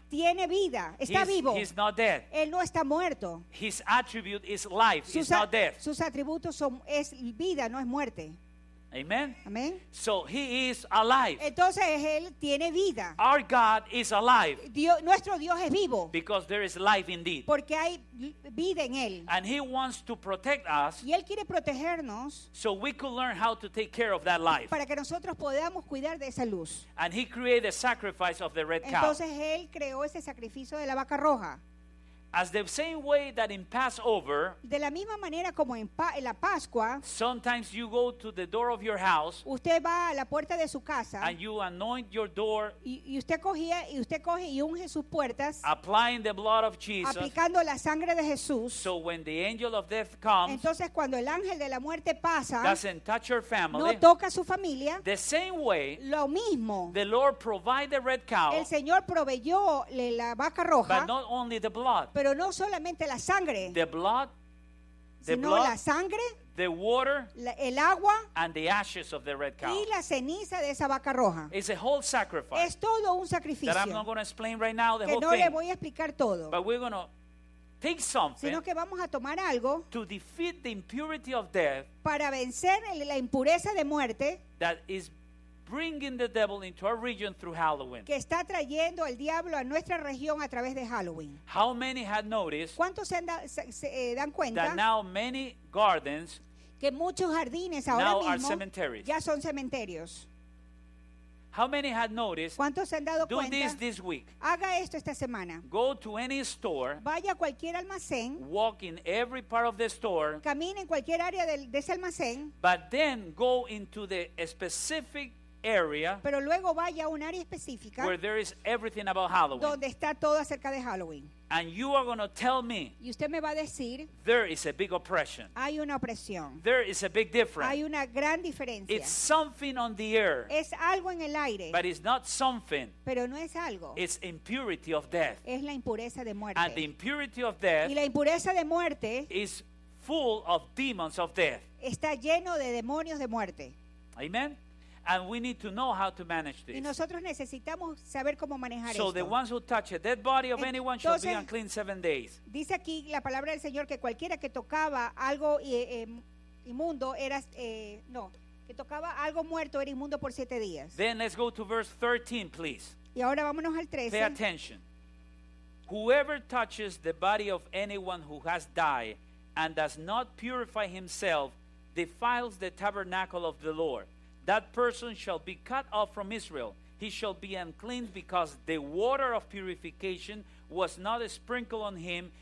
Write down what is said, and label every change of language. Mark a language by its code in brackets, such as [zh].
[es] Tiene vida, está [en] he's, [es] vivo. [en] He's not dead. [es] Él no está muerto. [en] His attribute is life, [es] sus [en] he's not dead. [es] Sus atributos son es vida, no es muerte. [en] Amen. Amen. So he is alive. [es] Entonces él tiene vida. [en] Our God is alive. [es] Dios, nuestro Dios es vivo. [en] Because there is life indeed. [es] Porque hay vida en él. [en] And he wants to protect us. [es] Y él quiere protegernos. [en] So we could learn how to take care of that life. [es] Para que nosotros podamos cuidar de esa luz. [en] And he created the sacrifice of the red cow. [es] Entonces él creó ese sacrificio de la vaca roja. [en] As the same way that in Passover, [es] de la misma manera como en la Pascua, [en] sometimes you go to the door of your house, [es] usted va a la puerta de su casa, [en] and you anoint your door, [es] y usted coge y unge sus puertas, [en] applying the blood of Jesus, [es] aplicando la sangre de Jesús. [en] So when the angel of death comes, [es] entonces cuando el ángel de la muerte pasa, [en] doesn't touch your family, [es] no toca su familia. [en] The same way, [es] lo mismo, [en] the Lord provide the red cow, [es] el Señor proveyó la vaca roja, [en] but not only the blood. [es] Pero no solamente la sangre, [en] the blood the sino blood, la sangre, the water, [es] la, el agua, [en] and the ashes of the red cow. [es] Y la ceniza de esa vaca roja. [en] It's a whole sacrifice. [es] Es todo un sacrificio. [en] That I'm not going to explain right now the [es] que [en] whole [es] no [en] thing. [es] Le voy a explicar todo. [en] But we're going to take something. [es] Sino que vamos a tomar algo. [en] To defeat the impurity of death. [es] Para vencer la impureza de muerte. [en] That is bringing the devil into our region through Halloween. [es] Que está trayendo el diablo a nuestra región a través de Halloween. [en] How many had noticed? [es] ¿Cuántos se dan cuenta? [en] That now many gardens. [es] Que muchos jardines ahora [en] now [es] mismo [en] are cemeteries. [es] Ya son cementerios. [en] How many had noticed? [es] ¿Cuántos se han dado [en] do [es] cuenta? [en] This week. [es] Haga esto esta semana. [en] Go to any store. [es] Vaya a cualquier almacén. [en] Walk in every part of the store. [es] Camine en cualquier área de ese almacén. [en] But then go into the specific area. [es] Pero luego vaya a un área específica. [en] Where there is everything about Halloween. [es] Donde está todo acerca de Halloween. [en] And you are going to tell me. [es] Y usted me va a decir. [en] There is a big oppression. [es] Hay una opresión. [en] There is a big difference. [es] Hay una gran diferencia. [en] It's something on the air. [es] Es algo en el aire. [en] But it's not something. [es] Pero no es algo. [en] It's impurity of death. [es] Es la impureza de muerte. [en] And the impurity of death. [es] Y la impureza de muerte. [en] Is full of demons of death. [es] Está lleno de demonios de muerte. [en] Amen. And we need to know how to manage this. [es] Y nosotros necesitamos saber cómo manejar [en] so [es] esto. [en] The ones who touch a dead body of [es] entonces, [en] anyone shall be unclean 7 days. [es] Dice aquí la palabra del Señor que cualquiera que tocaba algo inmundo era no, que tocaba algo muerto era inmundo por 7 días. [en] Then let's go to verse 13, please. [es] Y ahora vámonos al 13. [en] Pay attention. Whoever touches the body of anyone who has died and does not purify himself defiles the tabernacle of the Lord. That person shall be cut off from Israel. He shall be unclean because the water of purification was not sprinkled on him.